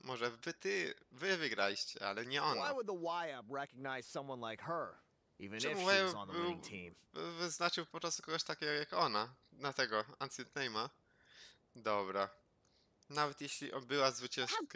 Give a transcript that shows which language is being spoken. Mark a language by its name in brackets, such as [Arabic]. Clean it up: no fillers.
[Polish] Może wy wygraliście, ale nie ona. [English] Why would the Wyab recognize someone like her? Even if she was on the winning team. [Polish] Wyznaczył po prostu kogoś takiego jak ona. Na tego, ancient name'a. Dobra. Nawet jeśli była zwycięskiej